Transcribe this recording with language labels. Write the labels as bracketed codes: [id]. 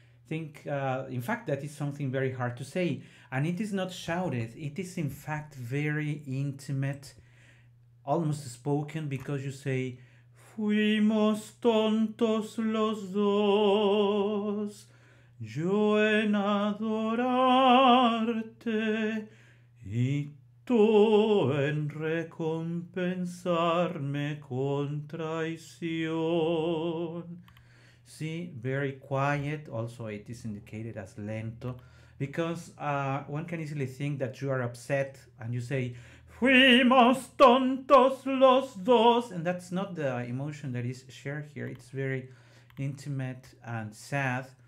[en] In fact, that is something very hard to say. And it is not shouted. It is, in fact, very intimate, almost spoken, because you say, [es] fuimos tontos los dos. Yo en adorarte y tú en recompensarme con traición. [en] See, very quiet. Also, it is indicated as lento, because one can easily think that you are upset and you say, [es] fuimos tontos los dos. [en] And that's not the emotion that is shared here. It's very intimate and sad.